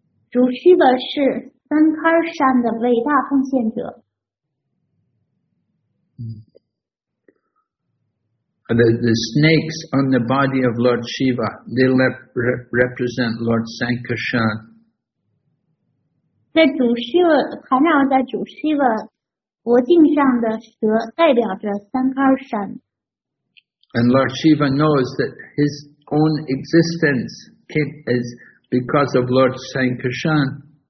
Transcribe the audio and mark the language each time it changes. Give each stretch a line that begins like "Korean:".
Chinese: 主 Shiva 是 Sankarshan 的伟大奉献者。
English: The snakes on the body of Lord Shiva, they represent Lord Sankarshan.
Chinese: 在主 Shiva 缠绕在主 Shiva 脖颈上的蛇代表着三颗闪。
English: And Lord Shiva knows that his own existence is because of Lord Sankarshan.